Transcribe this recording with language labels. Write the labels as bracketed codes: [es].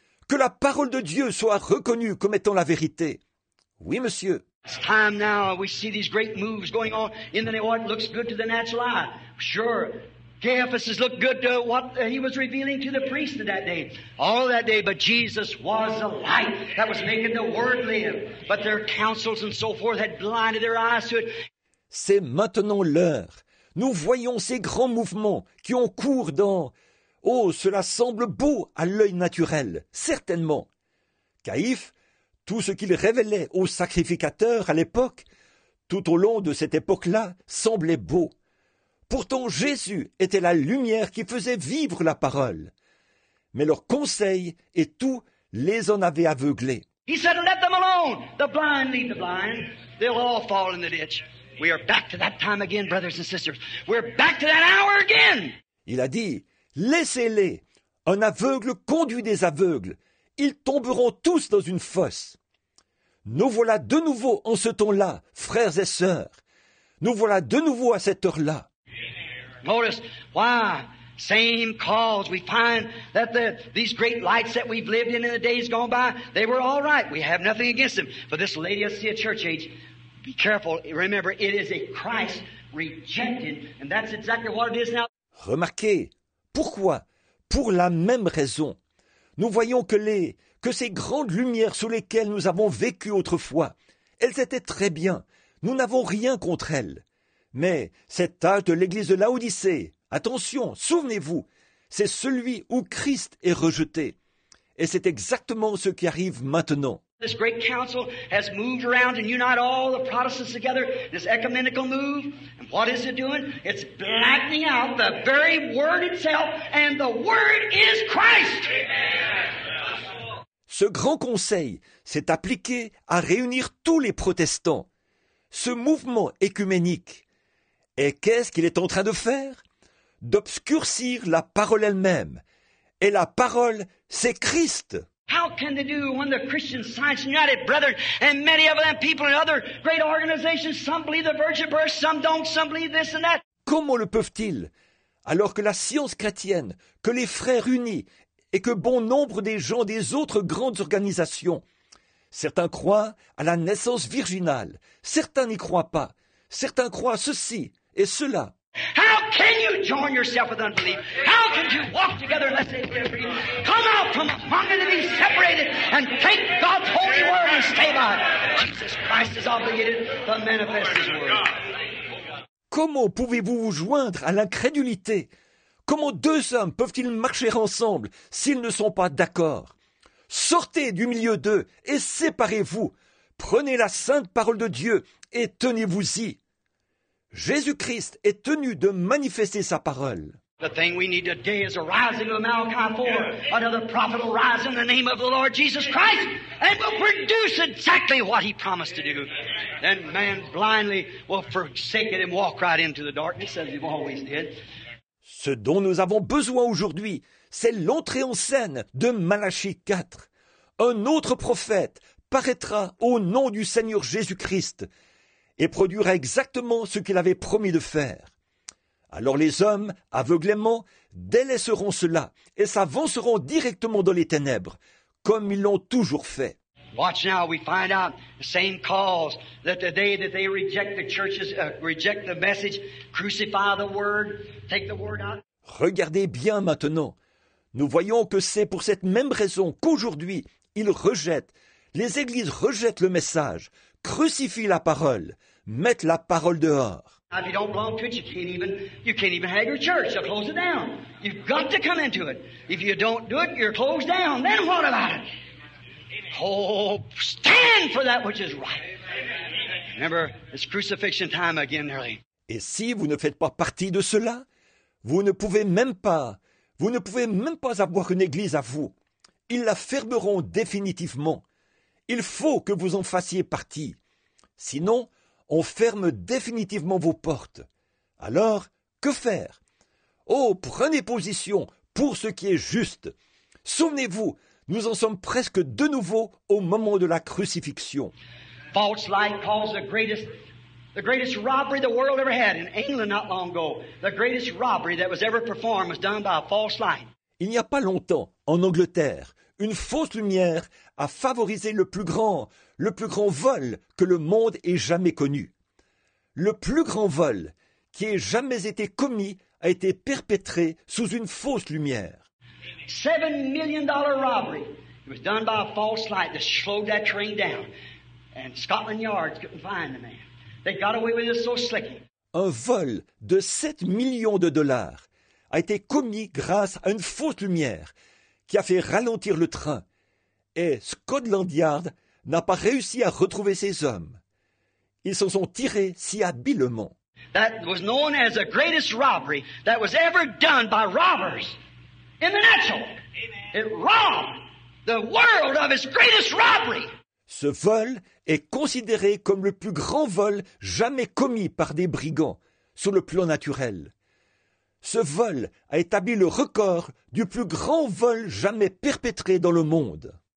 [fr] Que la parole de Dieu soit reconnue comme étant la vérité. Oui, monsieur. [en] It's time now. We see these great moves going on. In the what looks good to the natural eye. Sure, Caiaphas has looked good to what he was revealing to the priest that day. All that day, but Jesus was the light that was making the Word live. But their counsels and so forth had blinded their eyes to it. [fr] C'est maintenant l'heure. Nous voyons ces grands mouvements qui ont cours dans Oh, cela semble beau à l'œil naturel, certainement. Caïphe, tout ce qu'il révélait au sacrificateur à l'époque, tout au long de cette époque-là, semblait beau. Pourtant, Jésus était la lumière qui faisait vivre la parole. Mais leurs conseils et tout les en avaient aveuglés. [en] He said, let them alone. The blind lead the blind. They'll all fall in the ditch. We are back to that time again, brothers and sisters. We're back to that hour again. [fr] Il a dit, laissez-les. Un aveugle conduit des aveugles. Ils tomberont tous dans une fosse. Nous voilà de nouveau en ce temps-là, frères et sœurs. Nous voilà de nouveau à cette heure-là. [en] Notice why. Same cause. We find that these great lights that we've lived in the days gone by, they were all right. We have nothing against them. For this Laodicea church age, be careful. Remember, it is a Christ rejected. And that's exactly what it is now. [fr] Remarquez. Pourquoi? Pour la même raison. Nous voyons que ces grandes lumières sous lesquelles nous avons vécu autrefois, elles étaient très bien. Nous n'avons rien contre elles. Mais cet âge de l'église de Laodicée, attention, souvenez-vous, c'est celui où Christ est rejeté. Et c'est exactement ce qui arrive maintenant. [en] This great council has moved around and unite all the Protestants together, this ecumenical move. And what is it doing? It's blackening out the very word itself, and the word is Christ. [fr] Ce grand conseil s'est appliqué à réunir tous les protestants. Ce mouvement écuménique. Et qu'est-ce qu'il est en train de faire? D'obscurcir la parole elle-même. Et la parole, c'est Christ. [en] How can they do when the Christian Science United, brethren, and many of them people in other great organizations, some believe the virgin birth, some don't, some believe this and that. [fr] Comment le peuvent-ils, alors que la science chrétienne, que les frères unis, et que bon nombre des gens des autres grandes organisations, certains croient à la naissance virginale, certains n'y croient pas, certains croient à ceci et cela. [en] How can you join yourself with unbelief? How can you walk together unless they be free? Come out from among them and be separated and take God's holy word and stay by it. Jesus Christ is obligated to manifest his word. [fr] Comment pouvez-vous vous joindre à l'incrédulité? Comment deux hommes peuvent-ils marcher ensemble s'ils ne sont pas d'accord? Sortez du milieu d'eux et séparez-vous. Prenez la sainte parole de Dieu et tenez-vous-y. Jésus-Christ est tenu de manifester sa parole. [en] The thing we need today is a rising of Malachi 4. Another prophet will rise in the name of the Lord Jesus Christ and will produce exactly what he promised to do. Then man blindly will forsake it and walk right into the darkness as he always did. [fr] Ce dont nous avons besoin aujourd'hui, c'est l'entrée en scène de Malachi 4. Un autre prophète paraîtra au nom du Seigneur Jésus-Christ et produira exactement ce qu'il avait promis de faire. Alors les hommes, aveuglément, délaisseront cela et s'avanceront directement dans les ténèbres, comme ils l'ont toujours fait. [en] Watch now, we find out the same cause that the day that they reject the churches, reject the message, crucify the word, take the word out. [fr] Regardez bien maintenant. Nous voyons que c'est pour cette même raison qu'aujourd'hui, ils rejettent, les églises rejettent le message, crucifient la parole, mettent la parole dehors. [en] If you don't belong to it, you can't even have your church. They'll close it down. You've got to come into it. If you don't do it, you're closed down. Then what about it? Oh, stand for that which is right. Remember, it's crucifixion time again, early. [fr] Et si vous ne faites pas partie de cela, vous ne pouvez même pas avoir une église à vous. Ils la fermeront définitivement. Il faut que vous en fassiez partie. Sinon, on ferme définitivement vos portes. Alors, que faire? Oh, prenez position pour ce qui est juste. Souvenez-vous, nous en sommes presque de nouveau au moment de la crucifixion. [en] False light caused the greatest robbery the world ever had in England not long ago. The greatest robbery that was ever performed was done by a false light. [fr] Il n'y a pas longtemps, en Angleterre, une fausse lumière a favorisé le plus grand vol que le monde ait jamais connu. Le plus grand vol qui ait jamais été commis a été perpétré sous une fausse lumière. [en] $7 million robbery. It was done by a false light that slowed that train down. And Scotland Yard couldn't find the man. They got away with it so slicky. [fr] Un vol de $7 million a été commis grâce à une fausse lumière qui a fait ralentir le train. Et Scotland Yard n'a pas réussi à retrouver ces hommes. Ils s'en sont tirés si habilement. [en] That was known as the greatest robbery that was ever done by robbers in the natural. Amen. It robbed the world of its greatest robbery. [fr] Ce vol est considéré comme le plus grand vol jamais commis par des brigands sur le plan naturel. Ce vol a établi le record du plus grand vol jamais perpétré dans le monde.